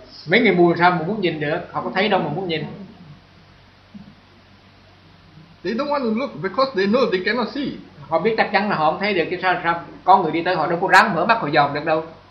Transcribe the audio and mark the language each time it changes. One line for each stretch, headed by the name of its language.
Vietnamese: Mấy người mù sao mà muốn nhìn được? Họ có thấy đâu mà muốn nhìn?
English: They don't want to look because they know they cannot see.
Vietnamese: Họ biết chắc chắn là họ không thấy được. Chứ sao? Có người đi tới họ đâu có ráng mở mắt họ dòm được đâu?